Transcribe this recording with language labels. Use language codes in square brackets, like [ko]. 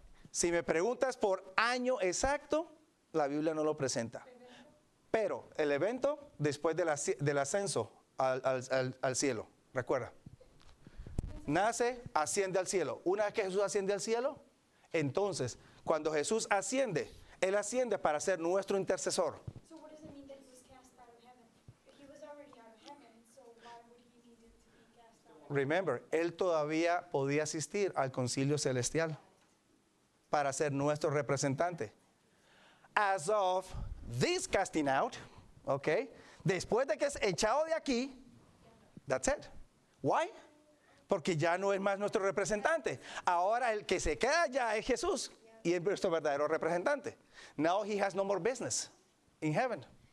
[es] Si me preguntas por año exacto, la Biblia no lo presenta. Pero el evento después del ascenso al cielo, recuerda. Nace, asciende al cielo. Una vez que Jesús asciende al cielo, entonces, cuando Jesús asciende, él asciende para ser nuestro intercesor. [en] So what does it mean that Jesus cast out of heaven? He was already out of heaven, so why would he need to be cast out of heaven? Remember, [es] él todavía podía asistir al concilio celestial para ser nuestro representante. [en] As of this casting out, okay, [es] después de que es echado de aquí, [en] that's it. Why? [es] Porque ya no es más nuestro representante. Ahora el que se queda ya es Jesús y es nuestro verdadero representante. [en] Now he has no more business in heaven.